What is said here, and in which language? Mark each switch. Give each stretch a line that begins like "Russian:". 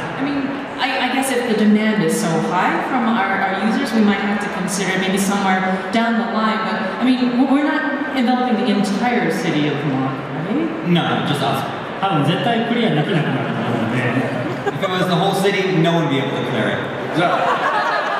English: I mean, I guess if the demand is so high from our users, we might have to consider maybe somewhere down the line. But I mean, we're not enveloping the entire city of Maha, right? No, just us.
Japanese: 多分絶対クリアできなくなると思うので。
English: If it was the whole city, no one would be able to clear it.